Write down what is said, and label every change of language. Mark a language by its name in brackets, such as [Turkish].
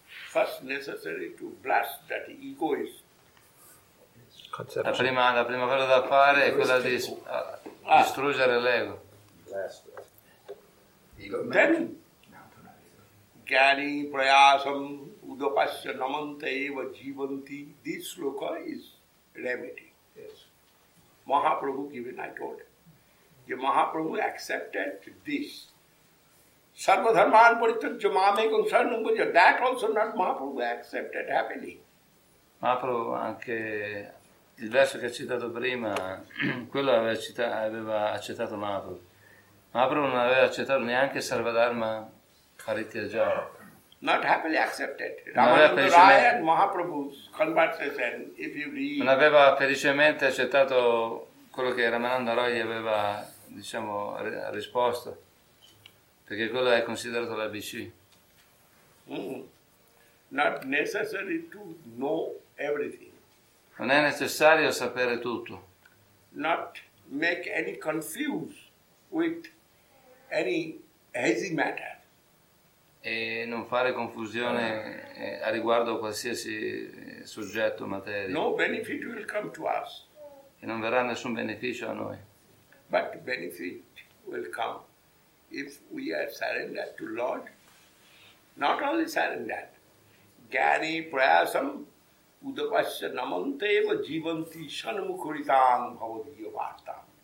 [English] First necessary to blast that ego is. [Italian] La prima cosa da fare è quella di distruggere l'ego. [Sanskrit] Then, Gyani Prayasam Udopasya Namante Eva Jivanti. [English] This sloka is remedy. Mahaprabhu given, I told you. Mahaprabhu accepted this. [Sanskrit] Sarva dharma anparityajya mame kamsarnam bhujya. [English] That also not Mahaprabhu accepted happily. [Italian] Mahaprabhu, anche il verso che ha citato prima, quello aveva accettato Mahaprabhu. Mahaprabhu non aveva accettato neanche [Sanskrit] sarva dharma anparityajya. [English] Not happily accepted. Ramananda and Mahaprabhu's conversation, if you read. [Italian] Non aveva felicemente accettato quello che Ramananda Roy gli aveva, diciamo, risposto. Perché quello è considerato l'ABC. [English] Not necessary to know everything. [Italian] Non è necessario sapere tutto. [English] Not make any confuse with any easy matter. [Italian] E non fare confusione a riguardo a qualsiasi soggetto materia. [English] No benefit will come to us. [Italian] E non verrà nessun beneficio a noi. [English] But benefit will come if we are surrendered to Lord. Not only surrendered. [Sanskrit] Gyani prayasam udapasya namanteva jivanti shanamukuritam bhavadiyo vartam.